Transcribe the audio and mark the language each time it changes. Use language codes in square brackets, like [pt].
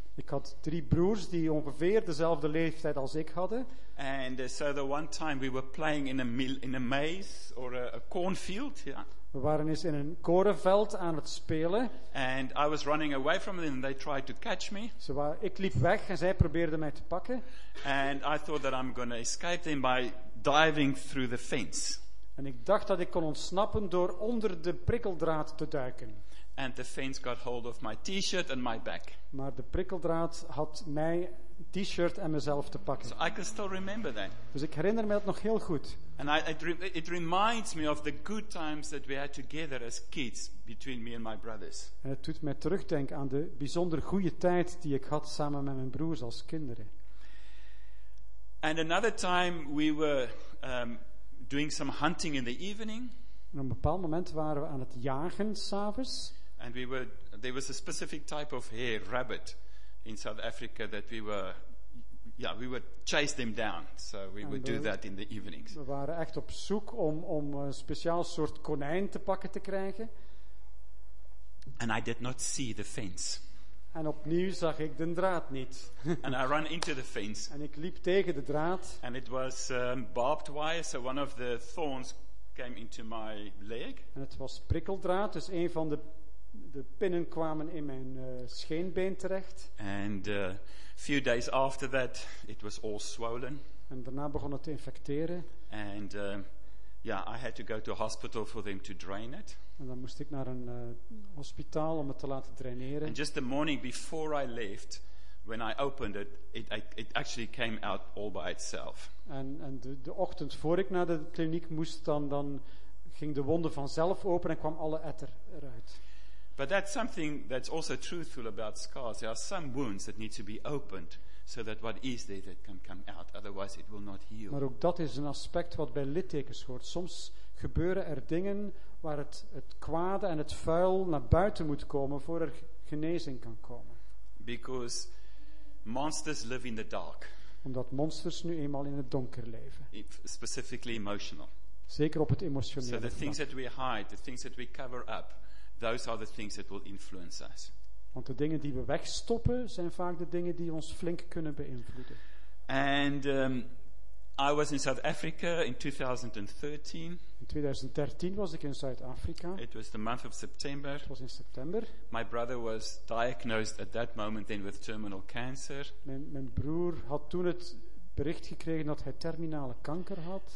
[nl] Ik had drie broers die ongeveer dezelfde leeftijd als ik hadden. [en] And so the one time we were playing in a maze or a cornfield, yeah. [nl] We waren eens in een korenveld aan het spelen. [en] And I was running away from them and they tried to catch me. [nl] Ik liep weg en zij probeerden mij te pakken. [en] And I thought that I'm going to escape them by diving through the fence. [nl] En ik dacht dat ik kon ontsnappen door onder de prikkeldraad te duiken. [en] And the fiends got hold of my t-shirt and my back. [nl] Maar de prikkeldraad had mijn t-shirt en mezelf te pakken. [en] So I can still remember that. [nl] Dus ik herinner me dat nog heel goed. [en] And it reminds me of the good times that we had together as kids between me and my brothers. [nl] En het doet mij terugdenken aan de bijzonder goede tijd die ik had samen met mijn broers als kinderen. [en] And another time we were doing some hunting in the evening. [nl] En op een bepaald moment waren we aan het jagen 's avonds. [en] And we were, there was a specific type of hare, rabbit, in South Africa that we were, yeah, we would chase them down. So we would do that in the evenings. [nl] We waren echt op zoek om een speciaal soort konijn te pakken te krijgen. [en] And I did not see the fence. [nl] En opnieuw zag ik de draad niet. [en] And I ran into the fence. [nl] En ik liep tegen de draad. [en] And it was barbed wire, so one of the thorns came into my leg. [nl] En het was prikkeldraad, dus een van de pinnen kwamen in mijn scheenbeen terecht. [en] And a few days after that, it was all swollen. [nl] En daarna begon het te infecteren. [en] And I had to go to a hospital for them to drain it. [nl] En dan moest ik naar een hospitaal om het te laten draineren. [en] And just the morning before I left, when I opened it, it actually came out all by itself. [nl] En de ochtend voor ik naar de kliniek moest, dan ging de wonde vanzelf open en kwam alle etter eruit. [en] But that's something that's also truthful about scars. There are some wounds that need to be opened so that what is there that can come out. Otherwise it will not heal. [nl] Maar ook dat is een aspect wat bij littekens hoort. Soms gebeuren er dingen waar het kwade en het vuil naar buiten moet komen voor er genezing kan komen. [en] Because monsters live in the dark. [nl] Omdat monsters nu eenmaal in het donker leven. [en] Specifically emotional. [nl] Zeker op het emotionele [en] vlak. So the things that we hide, the things that we cover up, those are the things that will influence us. [nl] Want de dingen die we wegstoppen zijn vaak de dingen die ons flink kunnen beïnvloeden. [en] And I was in South Africa in 2013. [nl] In 2013 was ik in Zuid-Afrika. [en] It was the month of September. [nl] Het was in september. [en] My brother was diagnosed at that moment then with terminal cancer. [nl] Mijn broer had toen het bericht gekregen dat hij terminale kanker had.